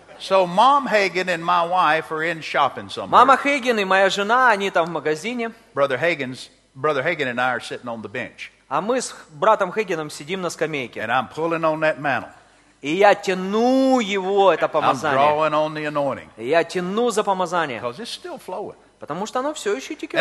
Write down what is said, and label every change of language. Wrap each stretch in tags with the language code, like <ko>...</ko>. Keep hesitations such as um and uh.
<ru>Мама Хейген и моя жена, они там в магазине.</ru> <en>Brother Hagen and I are sitting on the bench.</en> <ru>А мы с братом Хейгеном сидим на скамейке.</ru> <en>And I'm pulling on that mantle.</en> <ru>И я тяну его, это помазание.</ru> <en>I'm drawing on the anointing.</en> <ru>И я тяну за помазание. Потому что оно все еще текет.</ru>